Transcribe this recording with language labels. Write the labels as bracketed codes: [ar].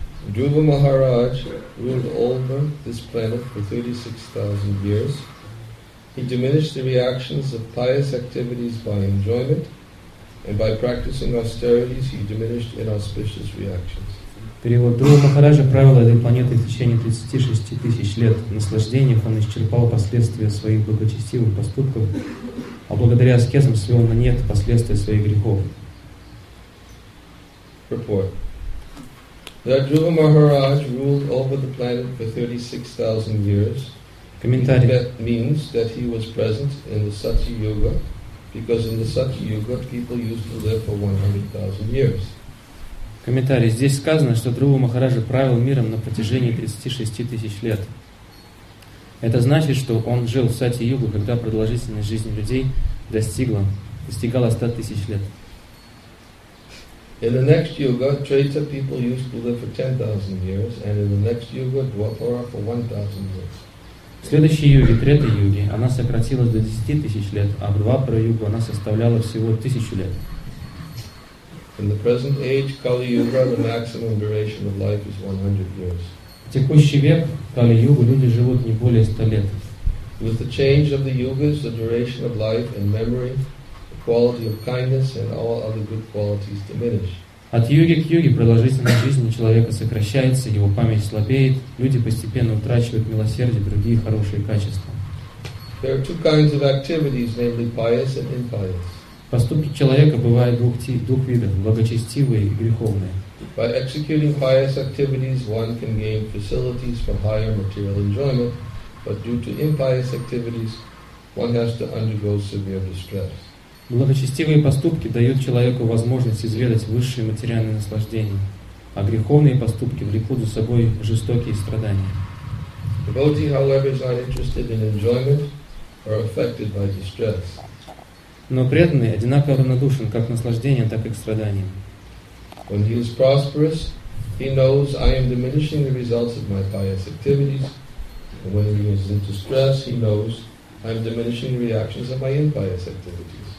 [en] Dhruva Maharaj ruled over this planet for 36,000 years. He diminished the reactions of pious activities by enjoyment, and by practicing austerities he diminished inauspicious reactions. [ru] Перевод. Dhruva Maharaj правил этой планетой в течение 36 тысяч лет. В наслаждениях он исчерпал последствия своих благочестивых поступков, а благодаря аскезам свел на нет последствия своих грехов. [en] Report. That Dhruva Maharaj ruled over the planet for 36,000 years. [ru] Комментарий. [en] That means that he was present in the Satya Yuga, because in the Satya Yuga people used to live for 100,000 years. [ru] Комментарий. Здесь сказано, что Дхрува Махараджа правил миром на протяжении 36 тысяч лет. Это значит, что он жил в Сати-Югу, когда продолжительность жизни людей достигала 100 тысяч лет. [en] In the next yuga, Treta people used to live for 10,000 years, and in the next yuga, Dwapara for 1,000 years. [ru] В следующей юге, третьей юге, она сократилась до 10 тысяч лет, а в Двапара-югу она составляла всего 1,000 лет. [en] In the present age, Kali-Yuga, the maximum duration of life is 100 years. [ru] В текущий век, Кали-Югу, люди живут не более 100 лет. [en] With the change of the yugas, the duration of life and memory, the quality of kindness and all other good qualities diminish. [ru] От юги к юге продолжительность жизни человека сокращается, его память слабеет, люди постепенно утрачивают милосердие, другие хорошие качества. [en] There are two kinds of activities, namely pious and impious. [ru] Поступки человека бывают двух видов, благочестивые и греховные. [en] By executing pious activities, one can gain facilities for higher material enjoyment, but due to impious activities, one has to undergo severe distress. [ru] Благочестивые поступки дают человеку возможность изведать высшие материальные наслаждения, а греховные поступки влекут за собой жестокие страдания. [en] Devotee, however, is not interested in enjoyment or affected by distress. [ru] Но преданный одинаково равнодушен как к наслаждениям, так и к страданиям. [en] When he is prosperous, he knows I am diminishing the results of my pious activities. When he is in distress, he knows I am diminishing the reactions of my impious activities.